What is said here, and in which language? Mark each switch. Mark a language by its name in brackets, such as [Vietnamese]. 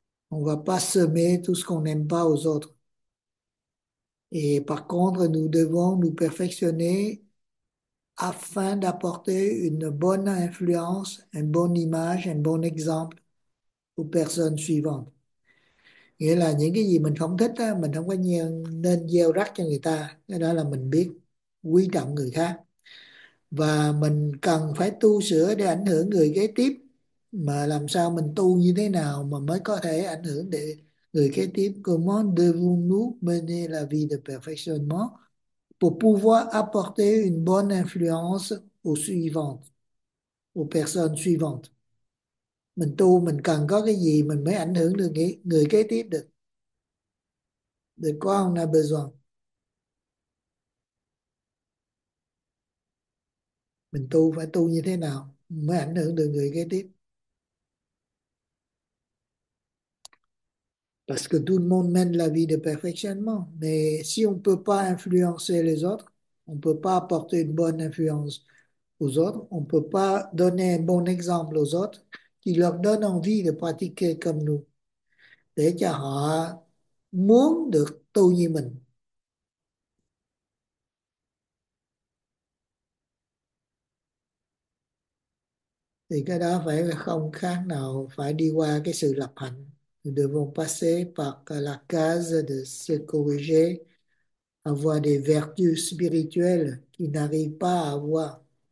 [French] On ne va pas semer tout ce qu'on n'aime pas aux autres. Et par contre, nous devons nous perfectionner afin d'apporter une bonne influence, une bonne image, un bon exemple aux personnes suivantes. [Vietnamese] Nghĩa là những cái gì mình không thích, mình không có nên gieo rắc cho người ta. Cái đó là mình biết quý trọng người khác. Và mình cần phải tu sửa để ảnh hưởng người kế tiếp. Mà làm sao mình tu như thế nào mà mới có thể ảnh hưởng để người kế tiếp? [French] Comment devons-nous mener la vie de perfectionnement pour pouvoir apporter une bonne influence aux suivantes, aux personnes suivantes. [Vietnamese] Mình tu, mình cần có cái gì mình mới ảnh hưởng được người kế tiếp được. [French] De quoi on a besoin? [Vietnamese] Mình tu phải tu như thế nào mới ảnh hưởng được người kế tiếp? [French] Parce que tout le monde mène la vie de perfectionnement, mais si on ne peut pas influencer les autres, on ne peut pas apporter une bonne influence aux autres, on ne peut pas donner un bon exemple aux autres qui leur donne envie de pratiquer comme nous, [Vietnamese] để cho họ muốn được tu như mình. Thì cái đó phải không khác nào phải đi qua cái sự lập hạnh. [French] Nous devons passer par la case de se corriger, avoir des vertus spirituelles qu'ils n'arrivent pas à avoir.